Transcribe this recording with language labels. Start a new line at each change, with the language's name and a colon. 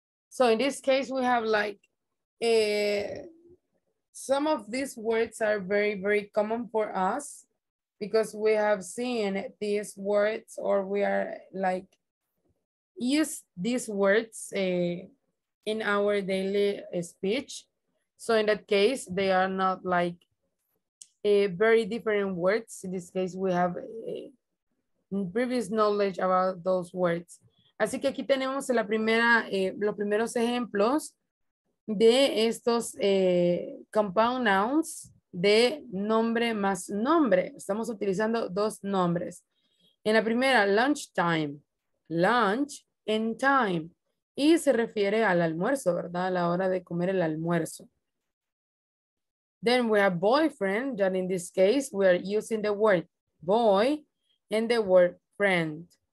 English: So in this case, we have like some of these words are very, very common for us, because we have seen these words, or we are like use these words in our daily speech. So in that case, they are not like very different words. In this case, we have previous knowledge about those words.
Spanish: Así que aquí tenemos la primera, los primeros ejemplos de estos compound nouns. De nombre más nombre. Estamos utilizando dos nombres. En la primera,
English: lunchtime. Lunch and time.
Spanish: Y se refiere al almuerzo, ¿verdad? A la hora de comer el almuerzo.
English: Then we have boyfriend. And in this case, we are using the word boy and the word friend.